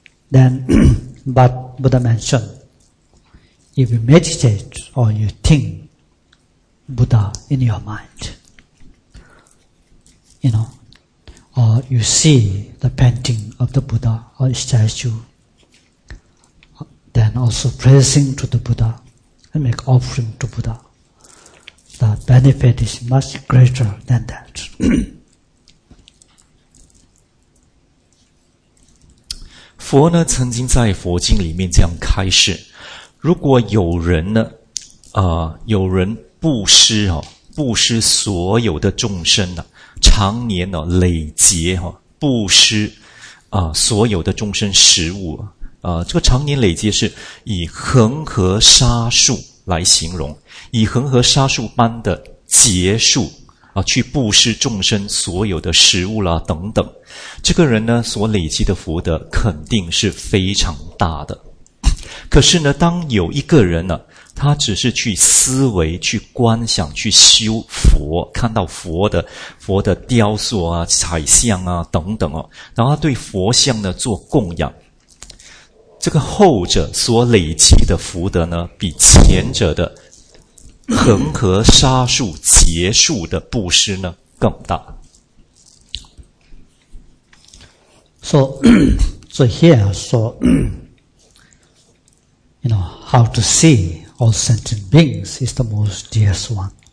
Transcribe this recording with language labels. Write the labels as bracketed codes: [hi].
[en] Then, but Buddha mentioned, if you meditate or you think Buddha in your mind, you know, or you see the painting of the Buddha or statue, then also praising to the Buddha and make offering to Buddha, the benefit is much greater than that. [zh] 佛呢曾经在佛经里面这样开示，如果有人呢有人布施所有的众生呢，常年呢累劫哈，布施啊，所有的众生食物啊，这个常年累劫是以恒河沙数来形容，以恒河沙数般的劫数啊，去布施众生所有的食物啦等等，这个人呢所累积的福德肯定是非常大的。可是呢，当有一个人呢，他只是去思维、去观想、去修佛，看到佛的雕塑啊、彩像啊等等哦，然后他对佛像呢做供养，这个后者所累积的福德呢，比前者的恒河沙数劫数的布施呢更大。 [en] So here, so you know how to see. All sentient beings is the most dearest one.